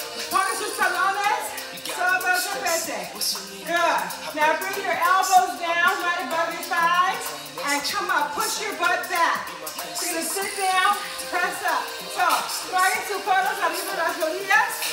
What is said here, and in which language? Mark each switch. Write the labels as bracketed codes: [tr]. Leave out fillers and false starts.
[es] Pones tus talones sobre el tapete. [en] Good. Now bring your elbows down right above your thighs, and come up, push your butt back. So you're gonna sit down, press up. [es] So, trae tus codos arriba las rodillas.